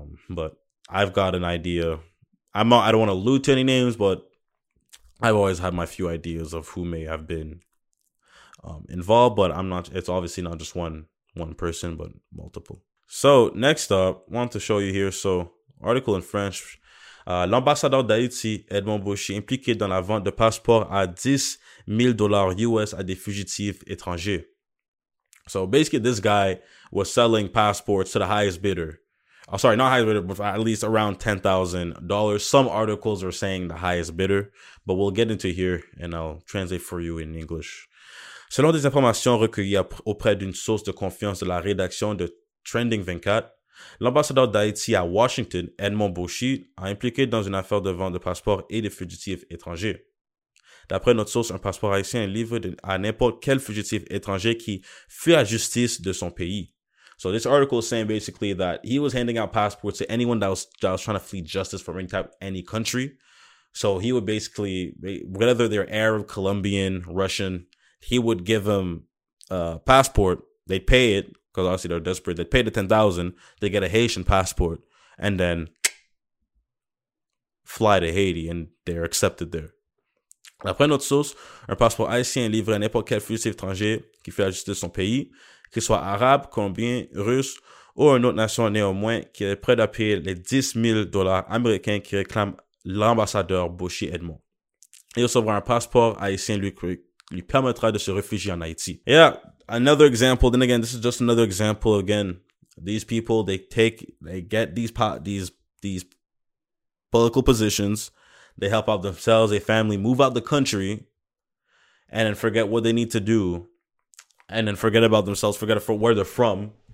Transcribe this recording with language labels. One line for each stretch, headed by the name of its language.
English: But I've got an idea. I don't want to allude to any names, but I've always had my few ideas of who may have been involved, but I'm not, it's obviously not just one person, but multiple. So next up, I want to show you here. So article in French,
French: l'ambassadeur d'Haïti, Edmond Bocchit, impliqué dans la vente de passeports à $10,000 US à des fugitifs étrangers.
English: So basically, this guy was selling passports to the highest bidder. Oh, sorry, not highest bidder, but at least around $10,000. Some articles are saying the highest bidder, but we'll get into here and I'll translate for you in English.
French: Selon des informations recueillies auprès d'une source de confiance de la rédaction de Trending 24, l'ambassadeur d'Haïti à Washington, Edmond Bocchit, a impliqué dans une affaire de vente de passeports et de fugitifs étrangers. D'après notre source, un passeport haïtien est livré à n'importe quel fugitif étranger qui fuit la justice de son pays.
English: So this article is saying basically that he was handing out passports to anyone that was trying to flee justice from any country. So he would basically, whether they're Arab, Colombian, Russian, he would give them a passport. They'd pay it, because obviously they're desperate. They pay the $10,000, they get a Haitian passport, and then fly to Haiti, and they're accepted there.
French: D'après notre source, un passeport haïtien est livré à n'importe quel fugitif étranger qui fait la justice de son pays, qu'il soit arabe, colombien, russe ou une autre nation néanmoins, qui est prêt à payer les $10,000 américains qui réclame l'ambassadeur Bocchit Edmond. Il recevra un passeport haïtien lui permettra de se réfugier en Haïti.
English: Yeah. Another example, then again, this is just another example. Again, these people, they get these political positions, they help out themselves, their family, move out the country, and then forget what they need to do, and then forget about themselves, forget for where they're from.